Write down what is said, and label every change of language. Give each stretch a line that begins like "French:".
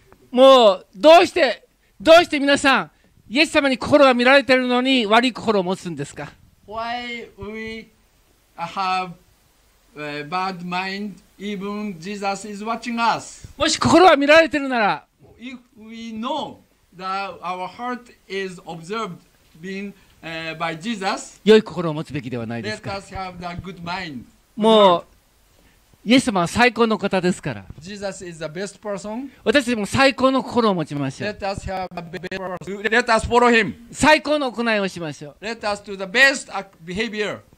Japanese: もう、どうして皆さん、イエス様に心が見られているのに悪い心を持つんですか。
English: Why we have a bad mind even Jesus is watching us?
Japanese: もし心が見られているなら、
English: If we know that our heart is observed being, by Jesus,
Japanese: 良い心を持つべきではないですか。
English: Let us have the good mind.
Japanese: もうイエス様は最高の方ですから。
English: Jesus is the best person.
Japanese: 私たちも最高の心を持ちましょう。
English: Let us have a best person. Let us follow him.
Japanese: 最高の行いをしましょう。
English: Let us do the best behavior.